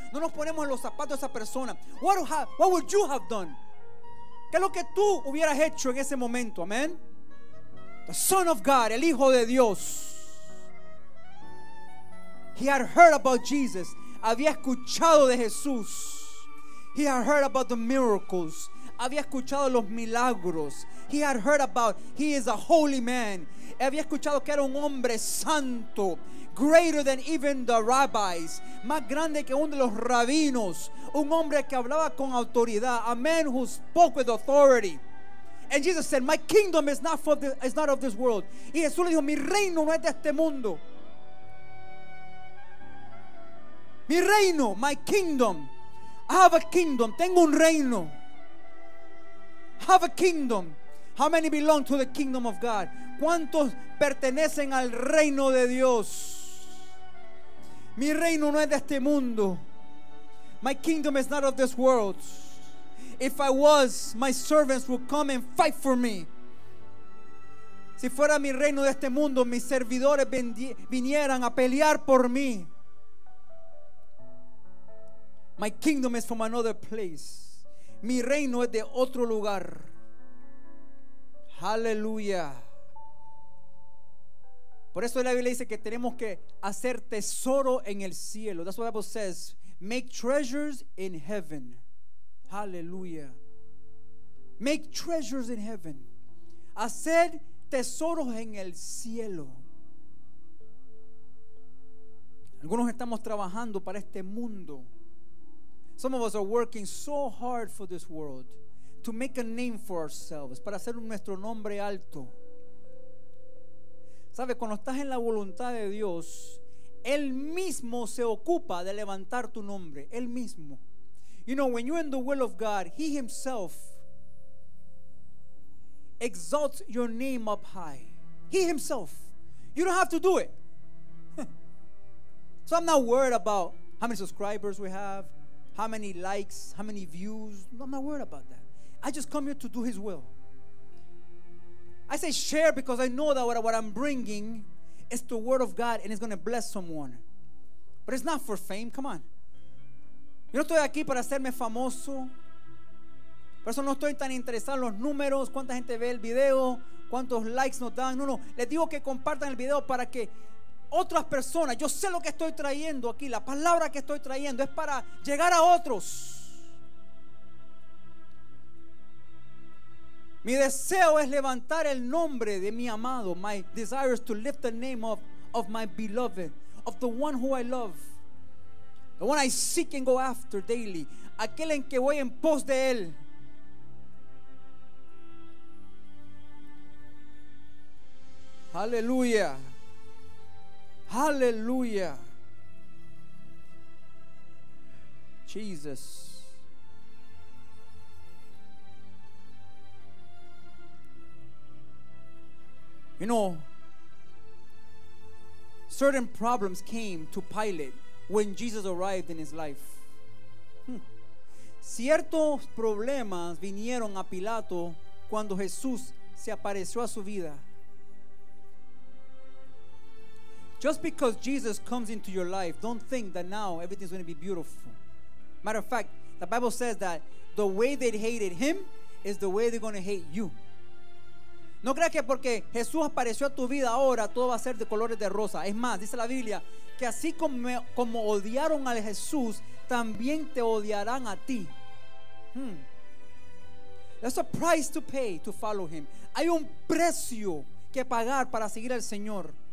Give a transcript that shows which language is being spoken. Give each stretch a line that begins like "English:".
Spanish: No nos ponemos en los zapatos de esa persona.
English: What would you have done?
Spanish: ¿Qué es lo que tú hubieras hecho en ese momento? Amén.
English: The Son of God,
Spanish: el Hijo de Dios.
English: He had heard about Jesus.
Spanish: Había escuchado de Jesús.
English: He had heard about the miracles.
Spanish: Había escuchado los milagros.
English: He had heard about, he is a holy man.
Spanish: Había escuchado que era un hombre santo.
English: Greater than even the rabbis.
Spanish: Más grande que uno de los rabinos. Un hombre que hablaba con autoridad.
English: A man who spoke with authority. And Jesus said, my kingdom is not of this world.
Spanish: Y Jesús le dijo, mi reino no es de este mundo. Mi reino,
English: my kingdom. I have a kingdom.
Spanish: Tengo un reino.
English: I have a kingdom. How many belong to the kingdom of God?
Spanish: ¿Cuántos pertenecen al reino de Dios? Mi reino no es de este mundo.
English: My kingdom is not of this world. If I was, my servants would come and fight for me.
Spanish: Si fuera mi reino de este mundo, mis servidores vinieran a pelear por mí.
English: My kingdom is from another place.
Spanish: Mi reino es de otro lugar.
English: Hallelujah.
Spanish: Por eso la Biblia dice que tenemos que hacer tesoro en el cielo.
English: That's what the Bible says. Make treasures in heaven. Hallelujah. Make treasures in heaven.
Spanish: Hacer tesoros en el cielo. Algunos estamos trabajando para este mundo.
English: Some of us are working so hard for this world. To make a name for ourselves.
Spanish: Para hacer nuestro nombre alto. ¿Sabe? Cuando estás en la voluntad de Dios, Él mismo se ocupa de levantar tu nombre. Él mismo.
English: You know, when you're in the will of God, He Himself exalts your name up high. He Himself. You don't have to do it. So I'm not worried about how many subscribers we have, how many likes, how many views. No, I'm not worried about that. I just come here to do His will. I say share because I know that what I'm bringing is the word of God and it's going to bless someone. But it's not for fame. Come on.
Spanish: Yo no estoy aquí para hacerme famoso. Por eso no estoy tan interesado en los números, cuánta gente ve el video, cuántos likes nos dan. No, no, les digo que compartan el video para que otras personas, yo sé lo que estoy trayendo aquí, la palabra que estoy trayendo es para llegar a otros. Mi deseo es levantar el nombre de mi amado.
English: My desire is to lift the name of my beloved, of the one who I love. The one I seek and go after daily.
Spanish: Aquel en que voy en pos de él.
English: Hallelujah. Hallelujah. Jesus. You know, certain problems came to Pilate when Jesus arrived in his life. Ciertos problemas vinieron a Pilato cuando Jesús se apareció a su vida. Just because Jesus comes into your life, don't think that now everything's going to be beautiful. Matter of fact, the Bible says that the way they hated him is the way they're going to hate you.
Spanish: No creas que porque Jesús apareció a tu vida ahora todo va a ser de colores de rosa. Es más, dice la Biblia que así como odiaron a Jesús, también te odiarán a ti.
English: That's a price to pay to follow him.
Spanish: Hay un precio que pagar para seguir al Señor.